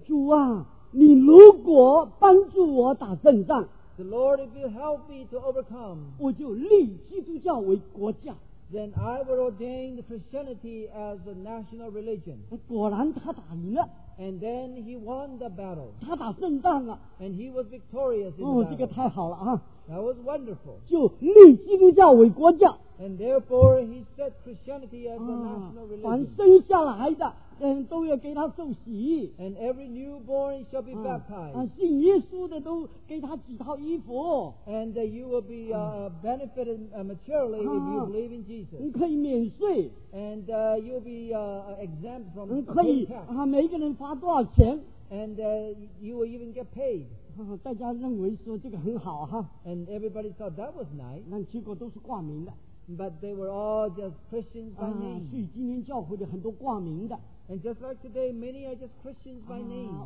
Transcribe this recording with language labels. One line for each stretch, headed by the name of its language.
Chinese: 主啊, 你如果帮助我打胜仗,
English: the Lord, if you help me to overcome,
Chinese: 我就立基督教为国家,
English: then I will ordain the Christianity as a national religion.
Chinese: 果然他打赢了,
English: and then he won the battle.
Chinese: 他打胜仗了,
English: and he was victorious in the battle.
Chinese: 哦, 这个太好了啊,
English: that was wonderful.
Chinese: 就立基督教为国教,
English: and therefore he set Christianity as a national religion.
Chinese: 凡生下来的, and 都要给他受洗,
English: and every newborn shall be baptized.
Chinese: 信耶稣的都给他几套衣服,
English: and that you will be benefited materially if you believe in Jesus.
Chinese: 你可以免税,
English: and you'll be exempt from the tax.
Chinese: 每一个人发多少钱,
English: and you will even get paid.
Chinese: 大家认为说这个很好,
English: and everybody thought that was nice.
Chinese: 但结果都是挂名的,
English: but they were all just Christians by name.
Chinese: 所以今天教会里很多挂名的,
English: and just like today, many are just Christians by name.